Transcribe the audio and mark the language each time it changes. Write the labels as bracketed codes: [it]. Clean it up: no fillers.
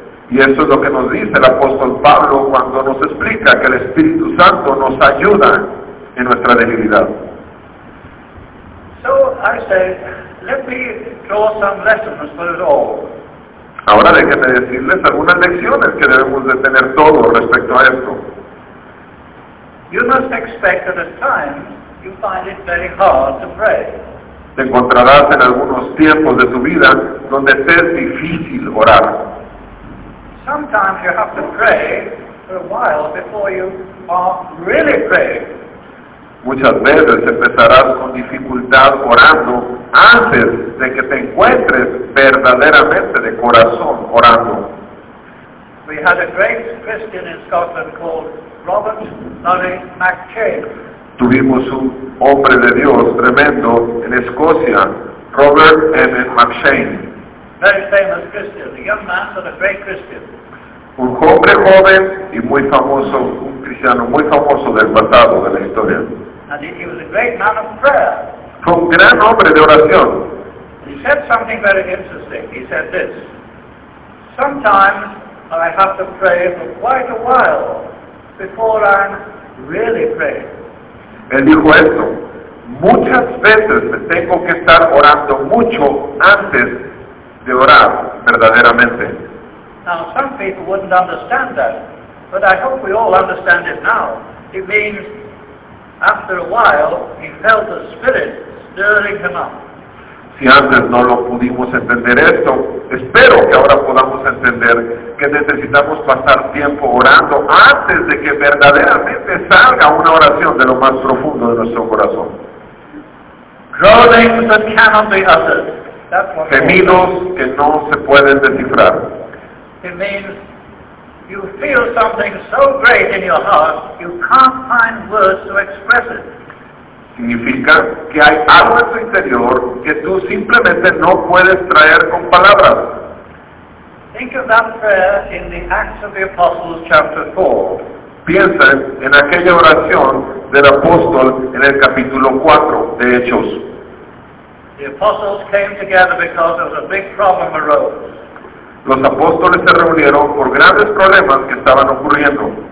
[es] Y eso es lo que nos dice el apóstol Pablo cuando nos explica que el Espíritu Santo nos ayuda en nuestra debilidad. [en] So I say, let me draw some lessons for it all. [es] Ahora déjenme decirles algunas lecciones que debemos de tener todos respecto a esto. [en] You must expect that at times you find it very hard to pray. [es] Te encontrarás en algunos tiempos de tu vida donde te es difícil orar. [en] sometimes you have to pray for a while before you are really praying. [es] Muchas veces empezarás con dificultad orando antes de que te encuentres verdaderamente de corazón orando. [en] We had a great Christian in Scotland called Robert Murray McCabe. [es] Tuvimos un hombre de Dios tremendo en Escocia, Robert M. McShane. [en] Very famous Christian, a young man, but a great Christian. [es] Un hombre joven y muy famoso, un cristiano muy famoso del pasado, de la historia. [en] And he was a great man of prayer. [es] Fue un gran hombre de oración. [en] He said something very interesting. He said this: sometimes I have to pray for quite a while before I'm really praying. Él dijo esto: muchas veces me tengo que estar orando mucho antes de orar verdaderamente. Now, some people wouldn't understand that, but I hope we all understand it now. It means, after a while, he felt the Spirit stirring him up. [es] Si antes no lo pudimos entender esto, espero que ahora podamos entender que necesitamos pasar tiempo orando antes de que verdaderamente salga una oración de lo más profundo de nuestro corazón. [en] Groanings that cannot be uttered. That's what [es] gemidos que no se pueden descifrar. [en] It means you feel something so great in your heart you can't find words to express it. [es] Significa que hay algo en tu interior que tú simplemente no puedes traer con palabras. [en] Think of that prayer in the Acts of the Apostles, chapter 4. [es] Piensa en aquella oración del apóstol en el capítulo 4 de Hechos. [en] The apostles came together because of a big problem arose. [es] Los apóstoles se reunieron por grandes problemas que estaban ocurriendo.